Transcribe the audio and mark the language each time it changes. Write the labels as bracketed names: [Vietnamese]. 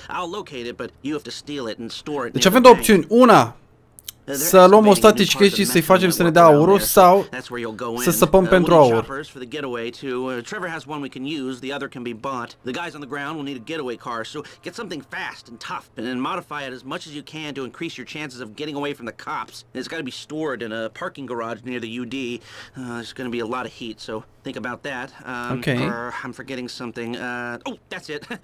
[English] I'll locate it, but you have to steal it and store it. [Romanian] Deci avem două opțiuni. Una, să luăm o statistică și să-i facem să ne dea aurul sau să săpăm pentru aur. [English] Trevor has one we can use, the other can be bought. The guys on the ground will need a getaway car, so get something fast and tough and modify it as much as you can to increase your chances of getting away from the cops. It's got to be stored in a parking garage near the UD. There's going to be a lot of heat, so think about that. Okay. I'm forgetting something. Oh, that's it.